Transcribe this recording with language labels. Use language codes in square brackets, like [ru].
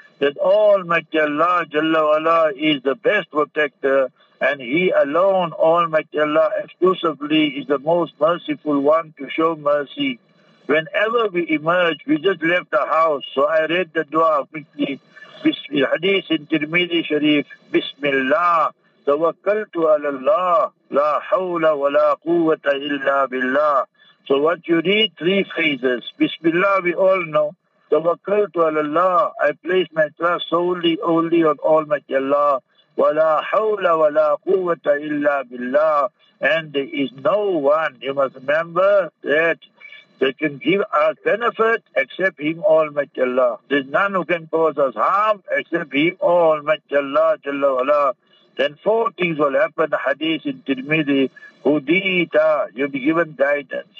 [en] That Almighty Allah, Jalla Wala, is the best protector, and He alone, Almighty Allah, exclusively, is the most merciful one to show mercy. Whenever we emerge, we just left the house. So I read the dua quickly. Hadith in Tirmidhi Sharif, Bismillah, [ar] توكلت على الله لا حول ولا قوة إلا بالله. [en] So what you need, three phrases. Bismillah, we all know. [ar] توكلت على الله, [en] I place my trust solely, only on Almighty Allah. [ar] ولا حول ولا قوة إلا بالله. [en] And there is no one, you must remember, that can give us benefit except Him, Almighty Allah. There's none who can cause us harm except Him, Almighty Allah, Jalla Wala. Then four things will happen, the hadith in Tirmidhi. Hudita, you'll be given guidance.